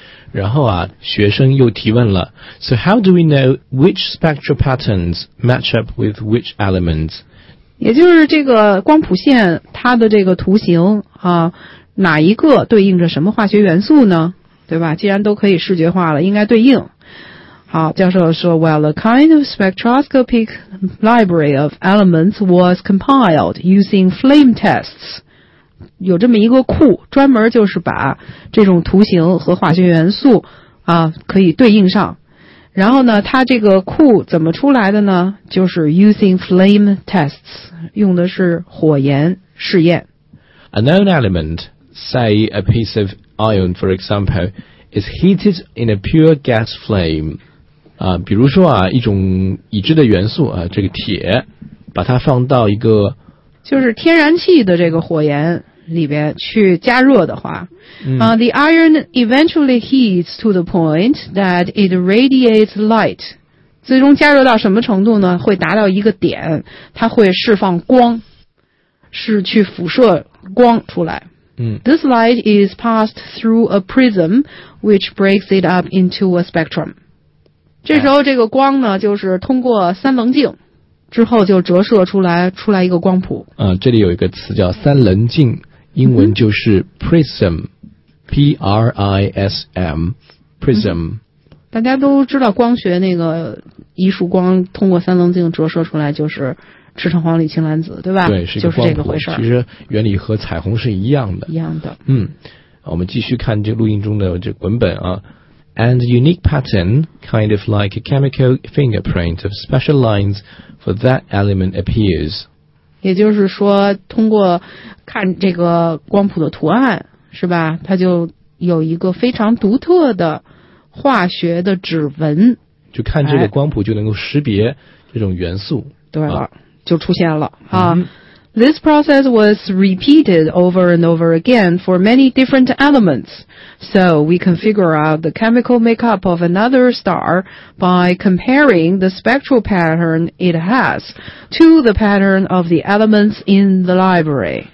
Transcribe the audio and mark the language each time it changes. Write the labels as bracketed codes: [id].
[zh] 然后啊，学生又提问了 [en] ，So how do we know which spectral patterns match up with which elements？ [zh] 也就是这个光谱线它的这个图形啊，哪一个对应着什么化学元素呢？对吧？既然都可以视觉化了，应该对应。好，教授说 [en] ，Well, a kind of spectroscopic library of elements was compiled using flame tests. [zh] 有这么一个库，专门就是把这种图形和化学元素啊可以对应上。然后呢，它这个库怎么出来的呢？就是 [en] using flame tests， [zh] 用的是火焰试验。 [en] A known element, say a piece of iron, for example, is heated in a pure gas flame. [zh] 啊，比如说啊，一种已知的元素啊，这个铁，把它放到一个就是天然气的这个火焰。里边去加热的话、 [en] The iron eventually heats to the point that it radiates light. [zh] 最终加热到什么程度呢？会达到一个点，它会释放光，是去辐射光出来。 [en] This light is passed through a prism which breaks it up into a spectrum. [zh] 这时候这个光呢，就是通过三棱镜。之后就折射出来一个光谱。这里有一个词叫三棱镜，英文就是 prism，P-R-I-S-M， prism。大家都知道光学那个一束光通过三棱镜折射出来就是赤橙黄绿青蓝紫，对吧？对，是一个光谱，就是这个回事。其实原理和彩虹是一样的。一样的。我们继续看这录音中的这文本啊。 [en] And a unique pattern, kind of like a chemical fingerprint of special lines for that element appears. [zh] 也就是说，通过看这个光谱的图案，是吧？它就有一个非常独特的化学的指纹。就看这个光谱就能够识别这种元素。对了，啊、就出现了啊。 [en] This process was repeated over and over again for many different elements. So we can figure out the chemical makeup of another star by comparing the spectral pattern it has to the pattern of the elements in the library.